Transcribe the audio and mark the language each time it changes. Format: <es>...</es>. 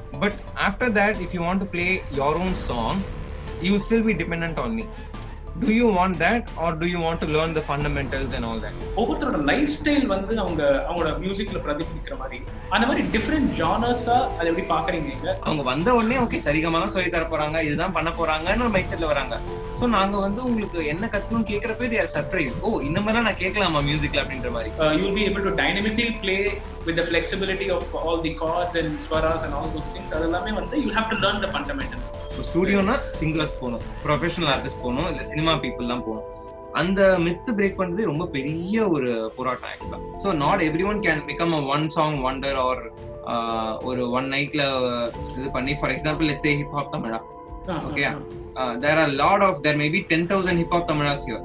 <en>But after that, if you want to play your own song, you will still be dependent on me. Do you want that or do you want to learn the fundamentals and all that?</en> <ta>ஒவ்வொருத்தரோட life style வந்து அவங்க அவங்களோட மியூசிக்ல பிரதிபலிக்கிற மாதிரி அந்த மாதிரி different ஜானர்ஸா அதை எப்படி பாக்குறீங்க? அவங்க வந்த உடனே ஓகே சரிகமாக சொல்லி தர போறாங்க, இதுதான் பண்ண போறாங்கன்னு மைண்ட் செட்ல வராங்க. ஸோ நாங்க வந்து உங்களுக்கு என்ன கத்துக்கணும் கேட்கறப்பே</ta> <en>their surprise,</en> <ta>ஓ இந்த மாதிரி நான் கேட்கலாமா மியூசிக்ல அப்படின்ற மாதிரி.</ta> <en>You will be able to dynamically play with the flexibility of all the chords and swaras and all those things.</en> <ta>அதெல்லாமே வந்து</ta> <en>you have to learn the fundamentals.</en> <ta>ஸ்டுடியோனா singers போகணும், ப்ரொஃபஷனல் ஆர்டிஸ்ட் போகணும், இல்லை சினிமா பீப்புள் தான் போகணும். அந்த myth break பண்ணுறது ரொம்ப பெரிய ஒரு போராட்டம் ஆக்சுவலாக.</ta> <en>so not every one can become a one song wonder or ஒரு one நைட்ல</en> <ta>இது பண்ணி.</ta> <en>For example let's say hip hop Tamizha, okay there are a lot of there may be 10,000 hip hop tamilas here.</en>